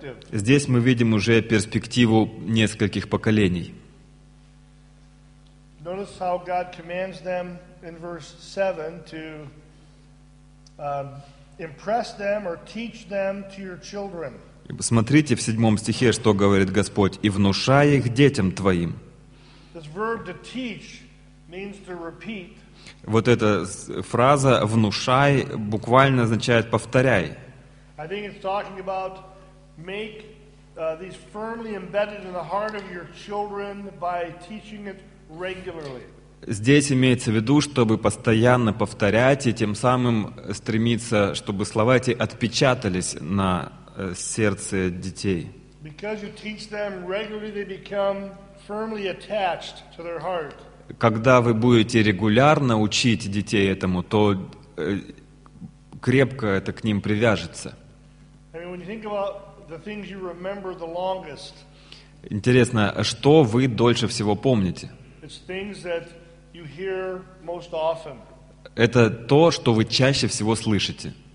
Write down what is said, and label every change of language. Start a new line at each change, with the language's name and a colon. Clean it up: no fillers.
Russian: Здесь мы видим уже перспективу нескольких поколений.
English: Notice how God commands them in verse 7 to impress them or teach them to your children.
Russian: Смотрите в 7 стихе, что говорит Господь: «И внушай их детям твоим».
English: This verb to teach means to repeat.
Russian: Вот эта фраза «внушай» буквально означает «повторяй».
English: I think it's talking about make these firmly embedded in the heart of your children by teaching it regularly.
Russian: Здесь имеется в виду, чтобы постоянно повторять и тем самым стремиться, чтобы слова эти отпечатались на сердце детей.
English: Because you teach them regularly, they become firmly attached to their heart.
Russian: Когда вы будете регулярно учить детей этому, то крепко это к ним привяжется.
English: I mean, when you think about the things you remember the longest.
Russian: Интересно, что вы дольше всего помните?
English: It's things that you hear most often.
Russian: Это то, что вы чаще всего слышите.